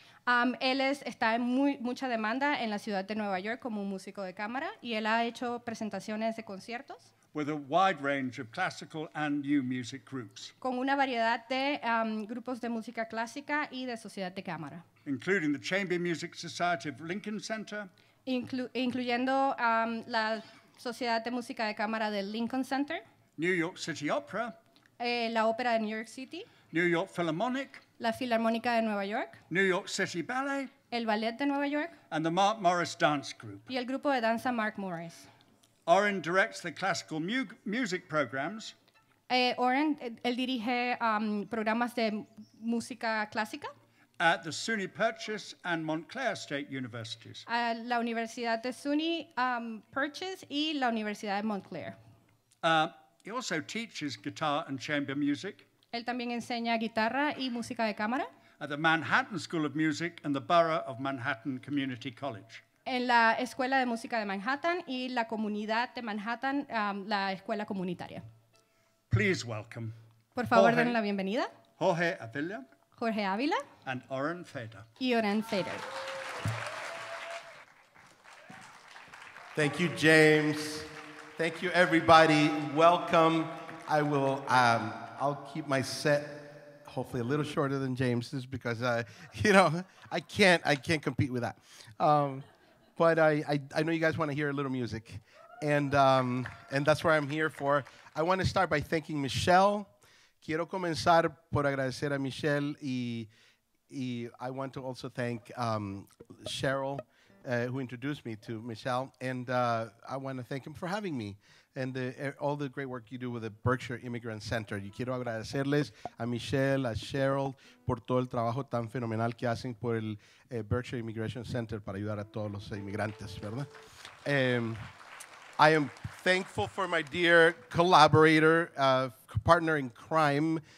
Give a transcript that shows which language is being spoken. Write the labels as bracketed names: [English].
[Spanish] Él está en mucha demanda en la ciudad de Nueva York como un músico de cámara y él ha hecho presentaciones de conciertos. [English] With a wide range of classical and new music groups. [Spanish] Con una variedad de grupos de música clásica y de sociedad de cámara. [English] Including the Chamber Music Society of Lincoln Center. [Spanish] Incluyendo la Sociedad de Música de Cámara del Lincoln Center. [English] New York City Opera. [Spanish] La Ópera de New York City. [English] New York Philharmonic. [Spanish] La Filarmónica de Nueva York. [English] New York City Ballet. [Spanish] El Ballet de Nueva York. [English] And the Mark Morris Dance Group. [Spanish] Y el grupo de danza Mark Morris. [English] Oren directs the classical music programs. [Spanish] Oren, él dirige programas de música clásica. [English] At the SUNY Purchase and Montclair State Universities. [Spanish] La Universidad de SUNY Purchase y la Universidad de Montclair. [English] He also teaches guitar and chamber music. [Spanish] Él también enseña guitarra y música de cámara. [English] At the Manhattan School of Music and the Borough of Manhattan Community College. [Spanish] En la Escuela de Música de Manhattan y la Comunidad de Manhattan, la Escuela Comunitaria. [English] Please welcome. [Spanish] Por favor, denle la bienvenida. [English] Jorge Avila. [Spanish] Jorge Avila. [English] And Oren Feder. [Spanish] Y Oren Feder. [English] Thank you, James. Thank you, everybody. Welcome. I will, I'll keep my set hopefully a little shorter than James's because, I can't compete with that. But I know you guys want to hear a little music, and that's what I'm here for. I want to start by thanking Michelle. [Spanish] Quiero comenzar por agradecer a Michelle y [English] I want to also thank Cheryl, who introduced me to Michelle, and I want to thank him for having me. And all the great work you do with the Berkshire Immigrant Center. [Spanish] Y quiero agradecerles a Michelle, a Cheryl, por todo el trabajo tan fenomenal que hacen por el Berkshire Immigration Center para ayudar a todos los inmigrantes, ¿verdad? [English] I am thankful for my dear collaborator, partner in crime.